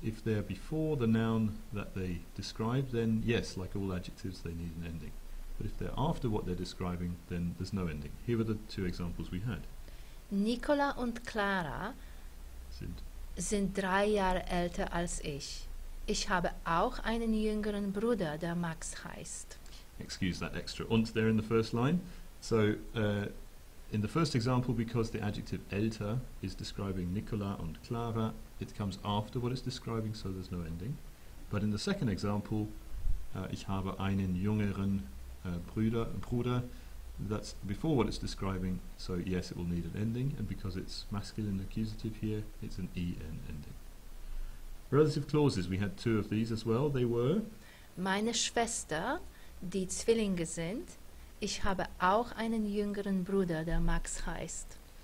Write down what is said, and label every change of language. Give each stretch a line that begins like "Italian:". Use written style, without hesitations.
English: If they're before the noun that they describe, then yes, like all adjectives, they need an ending. But if they're after what they're describing, then there's no ending. Here are the two examples we had.
German: Nicola und Clara sind 3 Jahre älter als ich. Ich habe auch einen jüngeren Bruder, der Max heißt.
English: Excuse that extra und there in the first line. So, in the first example, because the adjective älter is describing Nicola und Clara, it comes after what it's describing, so there's no ending. But in the second example,
German: ich habe einen jüngeren Bruder,
English: that's before what it's describing, so yes, it will need an ending, and because it's masculine accusative here, it's an en ending. Relative clauses, we had two of these as well, they were?
German: Meine Schwester, die Zwillinge sind, ich habe auch einen jüngeren Bruder, der Max heißt.